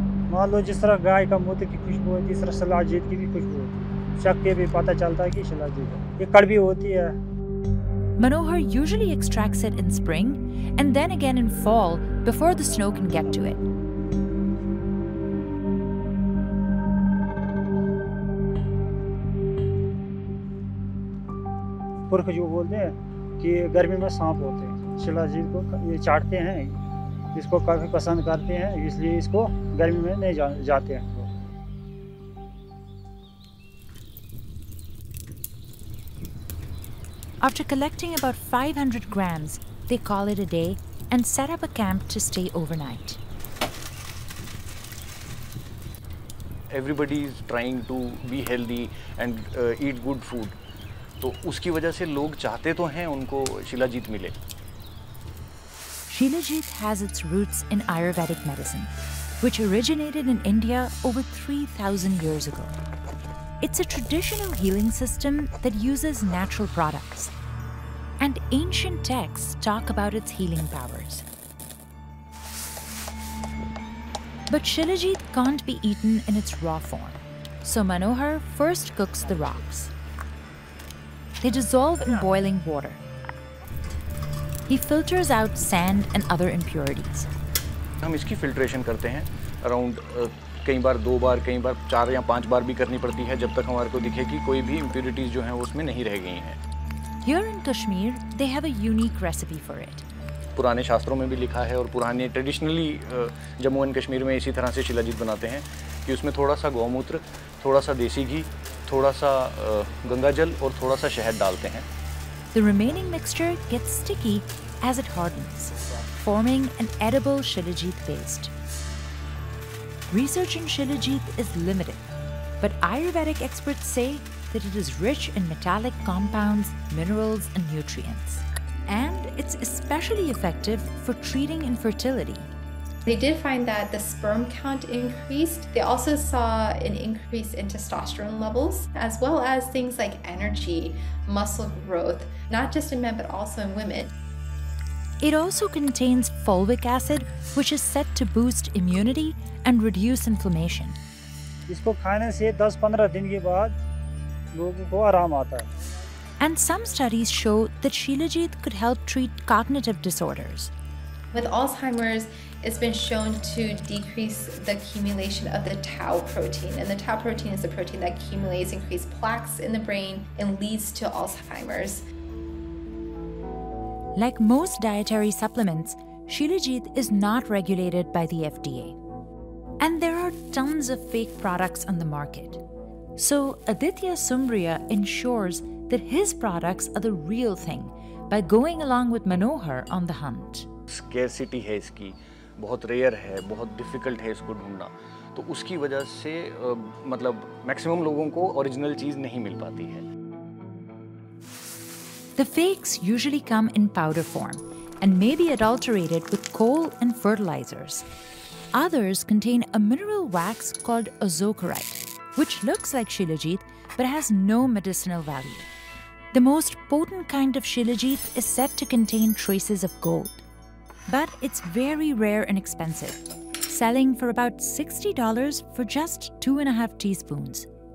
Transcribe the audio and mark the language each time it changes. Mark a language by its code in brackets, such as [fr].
[hi] मान लो जिस तरह गाय का मूत्र की खुशबू होती है, इस तरह शिलाजीत की भी खुशबू होती है। शक के भी पता चलता है कि शिलाजीत है। ये कड़वी होती है। [en] Manohar usually extracts it in spring and then again in fall before the snow can get to it. [hi] पुरख जो बोलते हैं कि गर्मी में सांप होते हैं, शिलाजीत को ये चाटते हैं, इसको काफी पसंद करते हैं, इसलिए इसको गर्मी में नहीं जाते हैं। [en] After collecting about 500 grams, they call it a day and set up a camp to stay overnight. Everybody is trying to be healthy and eat good food. [hi] तो उसकी वजह से लोग चाहते तो हैं उनको शिलाजीत मिले. [en] Shilajit has its roots in Ayurvedic medicine, which originated in India over 3,000 years ago. It's a traditional healing system that uses natural products. And ancient texts talk about its healing powers. But Shilajit can't be eaten in its raw form. So Manohar first cooks the rocks. They dissolve in boiling water. He filters out sand and other impurities. [hi] हम इसकी filtration करते हैं around कई बार दो बार कई बार चार या पांच बार भी करनी पड़ती है जब तक हमारे को दिखे कि कोई भी impurities जो हैं वो उसमें नहीं रह गई हैं. [en] Here in Kashmir, they have a unique recipe for it. [hi] पुराने शास्त्रों में भी लिखा है और पुराने traditionally जम्मू एंड कश्मीर में इसी तरह से शिलाजीत बनाते हैं कि उसमें थोड़ा सा गौमूत्र, थोड़ा सा देसी घी, थोड़ा सा गंगाजल और थोड़ा सा शहद डालते हैं. [en] The remaining mixture gets sticky as it hardens, forming an edible shilajit paste. Research in shilajit is limited, but Ayurvedic experts say that it is rich in metallic compounds, minerals, and nutrients. And it's especially effective for treating infertility. They did find that the sperm count increased. They also saw an increase in testosterone levels, as well as things like energy, muscle growth, not just in men, but also in women. It also contains fulvic acid, which is said to boost immunity and reduce inflammation. [hi] इसको खाने से 10-15 दिन के बाद लोगों को आराम आता है. [en] And some studies show that Shilajit could help treat cognitive disorders. With Alzheimer's, it's been shown to decrease the accumulation of the tau protein. And the tau protein is the protein that accumulates increased plaques in the brain and leads to Alzheimer's. Like most dietary supplements, Shilajit is not regulated by the FDA. And there are tons of fake products on the market. So Aditya Sumbria ensures that his products are the real thing by going along with Manohar on the hunt. [hi] scarcity है इसकी, बहुत rare है, बहुत difficult है इसको ढूँढना. तो उसकी वजह से मतलब maximum लोगों को original चीज़ नहीं मिल पाती है. [en] The fakes usually come in powder form and may be adulterated with coal and fertilizers. Others contain a mineral wax called azokarite, which looks like shilajit but has no medicinal value. The most potent kind of shilajit is said to contain traces of gold, but it's very rare and expensive, selling for about $60 for just 2.5 teaspoons.